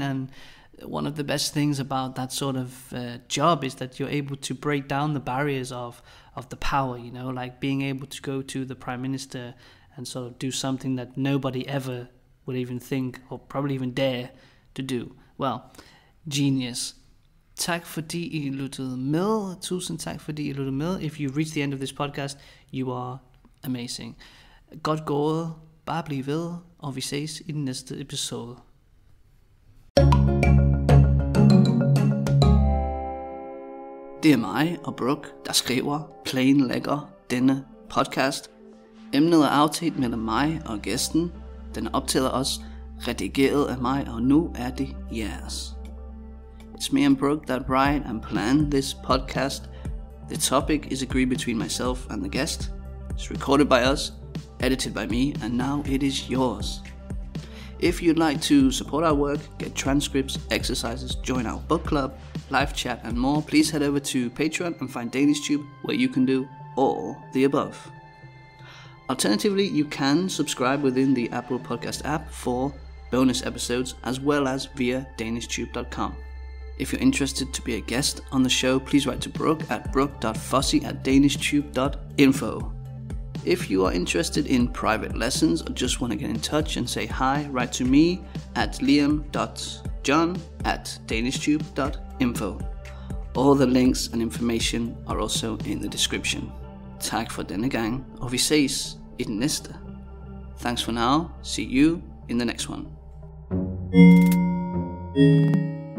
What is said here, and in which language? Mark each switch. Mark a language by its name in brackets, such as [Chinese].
[English] And one of the best things about that sort of job is that you're able to break down the barriers of the power, you know, like being able to go to the Prime Minister and sort of do something that nobody ever would even think or probably even dare to do. Well, genius. [Danish] Tak fordi I lyttede med. Tusind tak fordi I lyttede med. [English] If you reach the end of this podcast, you are amazing. [Danish] Godt gået. Bare bliv ved, og vi ses i den næste episode. Det er mig og Brooke, der skriver, planlægger denne podcast. Emnet er aftalt mellem mig og gæsten. Den er optaget også redigeret af mig, og nu er det jeres. [English] It's me and Brooke that write and plan this podcast. The topic is agreed between myself and the guest. It's recorded by us, edited by me, and now it is yours. If you'd like to support our work, get transcripts, exercises, join our book club, live chat, and more, please head over to Patreon and find DanishTube, where you can do all the above. Alternatively, you can subscribe within the Apple Podcast app for bonus episodes, as well as via DanishTube.com. If you're interested to be a guest on the show, please write to Brooke at brooke.fossey@danishtube.info. If you are interested in private lessons or just want to get in touch and say hi, write to me at liam.john@danishtube.info. All the links and information are also in the description. [Danish] Tak for denne gang, og vi ses i den næste. [English] Thanks for now, see you in the next one.